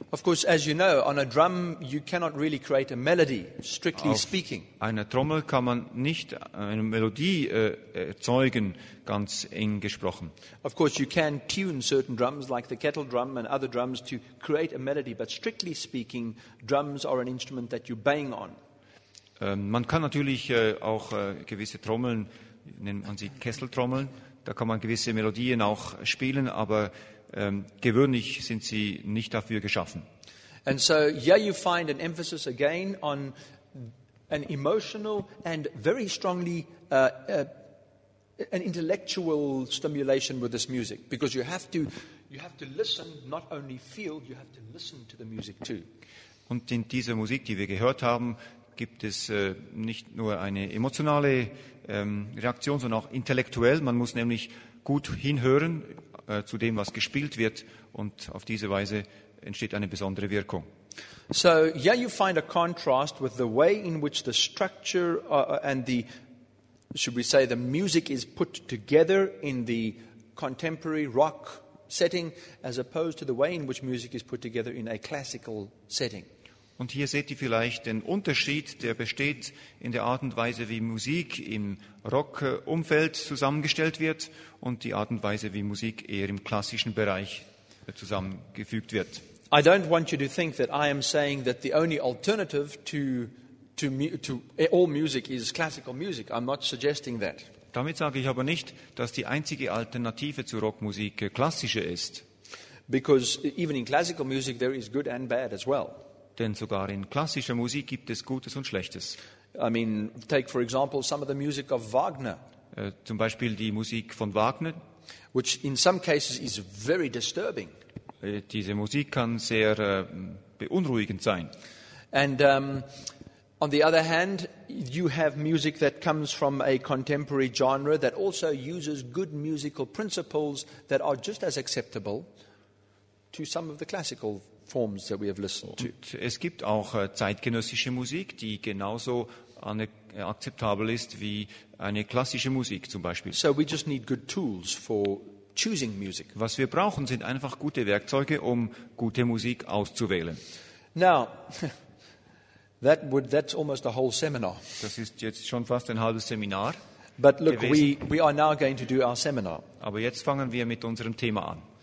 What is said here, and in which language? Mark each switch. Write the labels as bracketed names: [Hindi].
[English] Of course, as you know, on a drum you cannot really create a melody, strictly speaking. [German] Auf einer Trommel kann man nicht eine Melodie erzeugen, ganz eng gesprochen. [English] Of course, you can tune certain drums like the kettle drum and other drums to create a melody, but strictly speaking, drums are an instrument that you bang on. [German] Man kann natürlich auch gewisse Trommeln, nennt man sie Kesseltrommeln, da kann man gewisse Melodien auch spielen, aber gewöhnlich sind sie nicht dafür geschaffen. [English] And so here you find an emphasis again on an emotional and very strongly an intellectual stimulation with this music, because you have to listen, not only feel, you have to listen to the music too. [German] Und in dieser Musik, die wir gehört haben, gibt es nicht nur eine emotionale Reaktion, sondern auch intellektuell. Man muss nämlich gut hinhören zu dem, was gespielt wird, und auf diese Weise entsteht eine besondere Wirkung. [English] So, yeah, you find a contrast with the way in which the structure and the, should we say, the music is put together in the contemporary rock setting, as opposed to the way in which music is put together in a classical setting. [German] Und hier seht ihr vielleicht den Unterschied, der besteht in der Art und Weise, wie Musik im Rockumfeld zusammengestellt wird und die Art und Weise, wie Musik eher im klassischen Bereich zusammengefügt wird. [English] I don't want you to think that I am saying that the only alternative to all music is classical music. I'm not suggesting that. [German] Damit sage ich aber nicht, dass die einzige Alternative zu Rockmusik klassische ist. [English] Because even in classical music there is good and bad as well. [German] Denn sogar in klassischer Musik gibt es Gutes und Schlechtes. [English] I mean, take for example some of the music of Wagner. [German] Zum Beispiel die Musik von Wagner. [English] Which in some cases is very disturbing. [German] Diese Musik kann sehr beunruhigend sein. [English] And on the other hand, you have music that comes from a contemporary genre that also uses good musical principles that are just as acceptable to some of the classical forms that we have listened to. [German] Und es gibt auch zeitgenössische Musik, die genauso akzeptabel ist wie eine klassische Musik zum Beispiel. [English] So we just need good tools for choosing music. [German] Was wir brauchen, sind einfach gute Werkzeuge, um gute Musik auszuwählen. [English] Now, that's almost a whole seminar. [German] Das ist jetzt schon fast ein halbes Seminar. [English] But look, we are now going to do our seminar. [German] Aber jetzt fangen wir mit unserem Thema an.